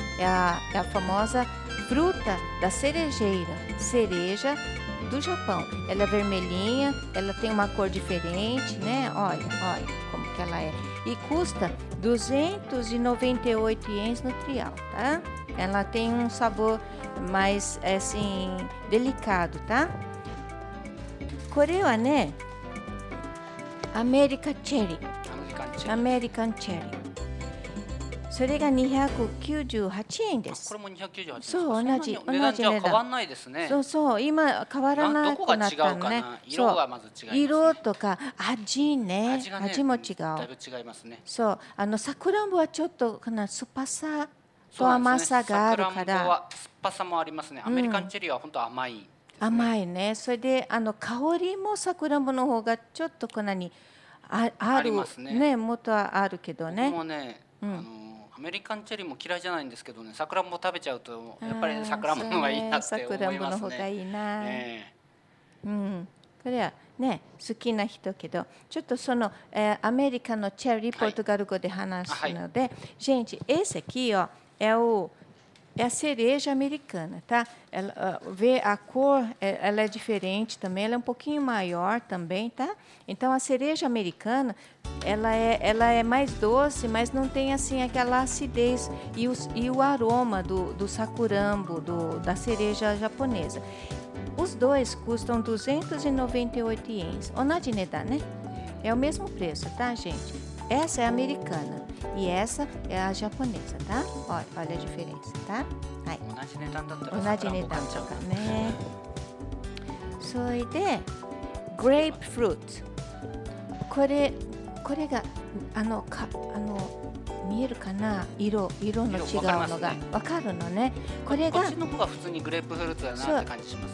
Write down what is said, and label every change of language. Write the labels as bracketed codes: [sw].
[pt] É a famosa fruta da cerejeira, cereja do Japão. Ela é vermelhinha, ela tem uma cor diferente, né? Olha como que ela é. E custa 298 ienes no trial, tá? Ela tem um sabor mais assim delicado, tá? [ja] これはね、アメリカチェリー、アメリカンチェリー、それが298円です。これも298円。そう、同じ値段。じゃあ変わんないですね。そう今変わらなくなったのね。どこが違うかな。色がまず違いますね。色とか味ね、味も違う。だいぶ違いますね。そう、サクランボはちょっとかな、酸っぱさと甘さがあるから。サクランボは酸っぱさもありますね。アメリカンチェリーは本当甘い、甘いね。それで香りもさくらんぼの方がちょっとこんなに ある、ね、元はあるけどね。でもね、アメリカンチェリーも嫌いじゃないんですけどね、さくらんぼ食べちゃうとやっぱりさくらんぼの方がいいなって思いますね。さくらんぼの方がいいな、これはね、好きな人けど、ちょっとその、アメリカのチェリー、ポルトガル語で話すので、はいはい、 [pt] gente, esse aqui, ó, é oÉ a cereja americana, tá? Ela, vê a cor, ela é diferente também, ela é um pouquinho maior também, tá? Então a cereja americana, ela é mais doce, mas não tem assim aquela acidez e o aroma do sakurambo, da cereja japonesa. Os dois custam 298 ienes. [ja] Onajineda, [pt] né? É o mesmo preço, tá, gente? Essa é americana. E essa é a japonesa, tá? Olha, olha a diferença, tá? Aí. [ja] Onajinetan da tsukane. それで、グレープフルーツ。これ、これが、あの、か、あの、見えるかな？色、色の違うのが。分かりますね。分かるのね。これが、こっちの方が普通にグレープフルーツだなって感じしますね。